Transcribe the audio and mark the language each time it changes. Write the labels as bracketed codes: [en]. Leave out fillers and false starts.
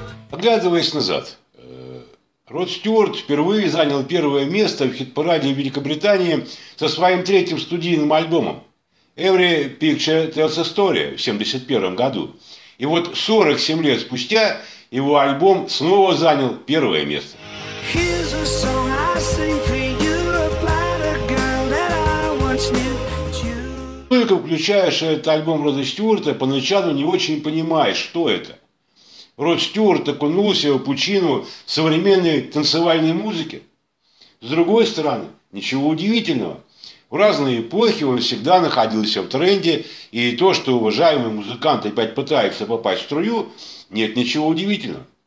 [ru] Оглядываясь назад, Род Стюарт впервые занял первое место в хит-параде Великобритании со своим третьим студийным альбомом Every Picture Tells a Story в 71-м году. И вот 47 лет спустя его альбом снова занял первое место. [en] Here's a song I sing for you about a girl that I once knew, but you... [ru] Только включаешь этот альбом Рода Стюарта, поначалу не очень понимаешь, что это. Род Стюарт окунулся в пучину современной танцевальной музыки. С другой стороны, ничего удивительного. В разные эпохи он всегда находился в тренде, и то, что уважаемый музыкант опять пытается попасть в струю, нет ничего удивительного.